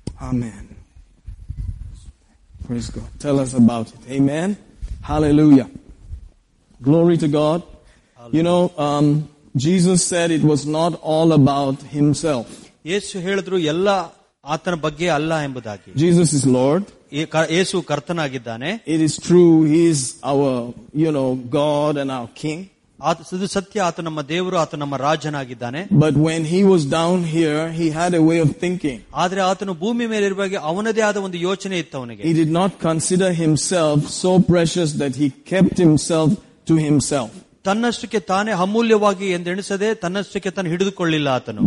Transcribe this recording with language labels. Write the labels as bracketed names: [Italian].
[English] Amen. Praise God. Tell us about it. Amen. Hallelujah. Glory to God. Hallelujah. You know, Jesus said it was not all about himself. [Kannada] ಯೇಸು ಹೇಳಿದ್ರು ಎಲ್ಲ ಆತನ ಬಗ್ಗೆ ಅಲ್ಲ ಎಂಬುದಾಗಿ. [English] Jesus is Lord. [Kannada] Yesu ಕರ್ತನಾಗಿದ್ದಾನೆ. [English] It is true, he is our, you know, God and our king. [Kannada] ಅದು ಸತ್ಯ, ಆತ ನಮ್ಮ ದೇವರು, ಆತ ನಮ್ಮ ರಾಜನಾಗಿದ್ದಾನೆ. [English] But when he was down here he had a way of thinking. [Kannada] ಆದ್ರೆ ಆತನು ಭೂಮಿ ಮೇಲೆ ಇರುವಾಗ ಅವನದೇ ಆದ ಒಂದು ಯೋಚನೆ ಇತ್ತು ಅವನಿಗೆ. [English] He did not consider himself so precious that he kept himself to himself. [Kannada] ತನ್ನಷ್ಟಕ್ಕೆ ತಾನೇ ಅಮೂಲ್ಯವಾಗಿ ಎಂದೆಣಿಸದೆ ತನ್ನಷ್ಟಕ್ಕೆ ತಾನು ಹಿಡಿದುಕೊಳ್ಳಿಲ್ಲ ಆತನು.